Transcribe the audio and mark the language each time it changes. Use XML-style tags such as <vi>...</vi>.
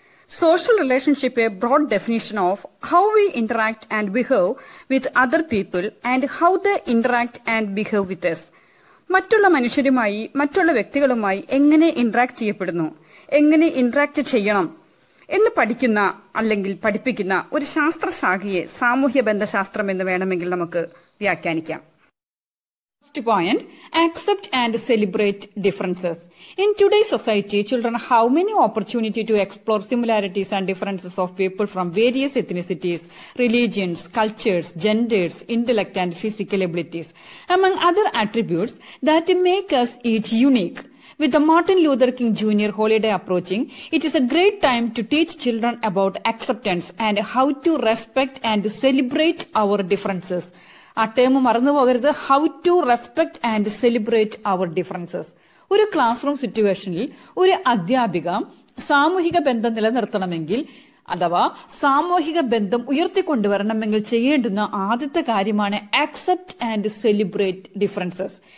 <en>Social relationship a broad definition of how we interact and behave with other people and how they interact and behave with us.</en> <ml>മറ്റുള്ള മനുഷ്യരുമായി മറ്റുള്ള വ്യക്തികളുമായി എങ്ങനെ interact ചെയ്യപ്പെടുന്നു, എങ്ങനെ interact ചെയ്യണം എന്ന് പഠിക്കുന്ന അല്ലെങ്കിൽ പഠിപ്പിക്കുന്ന ഒരു ശാസ്ത്രശാഖയെ സാമൂഹ്യ ബന്ധശാസ്ത്രം എന്ന് വേണമെങ്കിൽ നമുക്ക് വ്യാഖ്യാനിക്കാം.</ml> <en>First point, accept and celebrate differences. In today's society, children have many opportunities to explore similarities and differences of people from various ethnicities, religions, cultures, genders, intellect and physical abilities. Among other attributes that make us each unique. With the Martin Luther King Jr. holiday approaching, it is a great time to teach children about acceptance and how to respect and celebrate our differences.</en> <ml>ആ term മറന്നു പോകരുത്,</ml> <en>How to respect and celebrate our differences.</en> <ml>ഒരു class room സിറ്റുവേഷനിൽ ഒരു അധ്യാപിക സാമൂഹിക ബന്ധം നിലനിർത്തണമെങ്കിൽ അഥവാ സാമൂഹിക ബന്ധം ഉയർത്തിക്കൊണ്ടുവരണമെങ്കിൽ ചെയ്യേണ്ടുന്ന ആദ്യത്തെ കാര്യമാണ്</ml> <en>Accept and celebrate differences.</en>